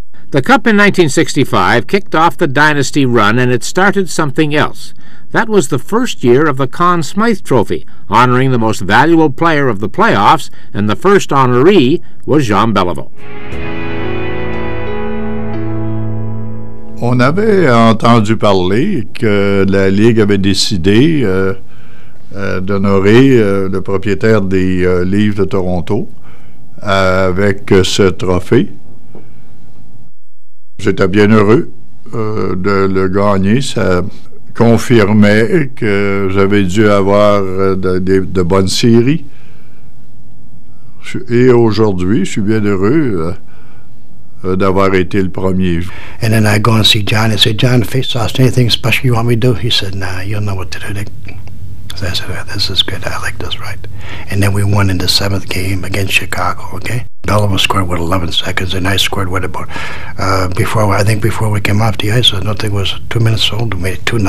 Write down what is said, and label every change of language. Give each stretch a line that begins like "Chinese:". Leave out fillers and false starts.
English: The Cup in 1965 kicked off the dynasty run, and it started something else. That was the first year of the Conn Smythe Trophy, honoring the most valuable player of the playoffs, and the first honoree was Jean Béliveau.
French: On avait entendu parler que la Ligue avait décidé d'honorer le propriétaire des Leafs de Toronto avec ce trophée. J'étais bien heureux de le gagner. Ça confirmait que j'avais dû avoir de bonnes séries. Et aujourd'hui, je suis bien heureux d'avoir été le premier.
English: And then I go and see John and say, John, if you saw anything special you want me to do, he said, nah, you'll know what to do. So I said, this is good. I like this, right? And then we won in the seventh game against Chicago, okay? Bellum scored with 11 seconds, and I scored with about, before we came off the ice, I don't think it was 2 minutes old, we made it 2-0.